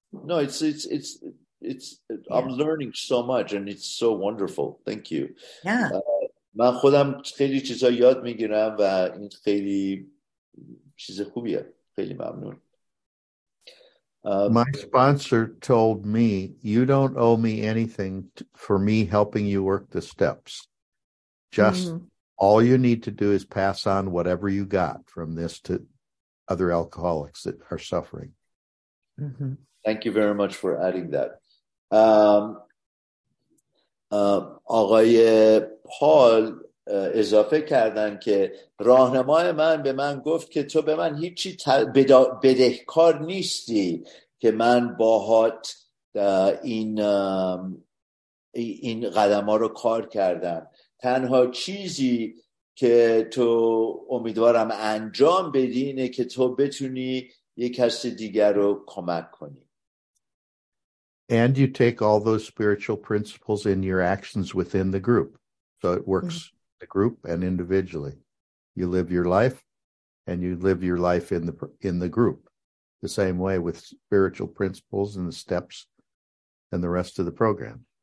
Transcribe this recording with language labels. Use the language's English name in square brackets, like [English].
[English] No, it's I'm learning so much and it's so wonderful. Thank you. Yeah. [Persian] من خودم خیلی چیزا یاد میگیرم و این خیلی چیز خوبیه. خیلی ممنون. [English] My sponsor told me, you don't owe me anything for me helping you work the steps. Just all you need to do is pass on whatever you got from this to other alcoholics that are suffering. Mm-hmm. Thank you very much for adding that. [Persian] آقای پال اضافه کردن که راهنمای من به من گفت که تو به من هیچی بدهکار نیستی که من باهات این قدم ها رو کار کردم. تنها چیزی که تو امیدوارم انجام بدی اینه که تو بتونی یک کس دیگر رو کمک کنی. [English] And you take all those spiritual principles in your actions within the group. So it works the group and individually. You live your life and you live your life in the group. The same way with spiritual principles and the steps and the rest of the program.